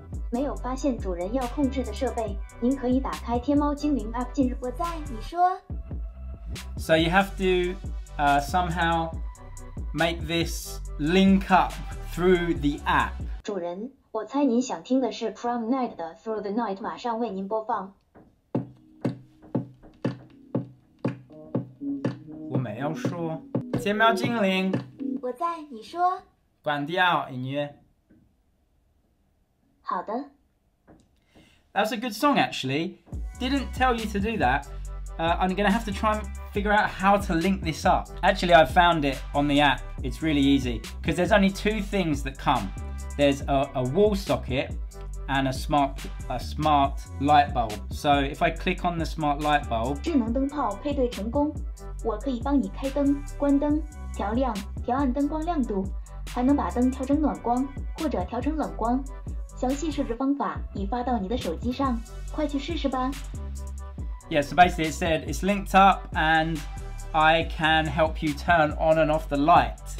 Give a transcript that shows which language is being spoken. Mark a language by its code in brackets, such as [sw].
[zh] 没有发现主人要控制的设备，您可以打开天猫精灵 app 进入。我在，你说。 [en] So you have to somehow make this link up through the app. [zh] 主人。我猜您想听的是 From Night 的 Through the Night， 马上为您播放。我没有说。天猫精灵。我在，你说。关掉音乐。好的。 [en] That's a good song, actually. Didn't tell you to do that. I'm gonna have to try and figure out how to link this up. Actually, I found it on the app. It's really easy because there's only two things that come. There's a wall socket and a smart light bulb. So if I click on the smart light bulb, [zh] 智能灯泡配对成功，我可以帮你开灯、关灯、调亮、调暗灯光亮度，还能把灯调成暖光或者调成冷光。详细设置方法已发到你的手机上，快去试试吧。 [en] Yeah, so basically it said it's linked up and I can help you turn on and off the light.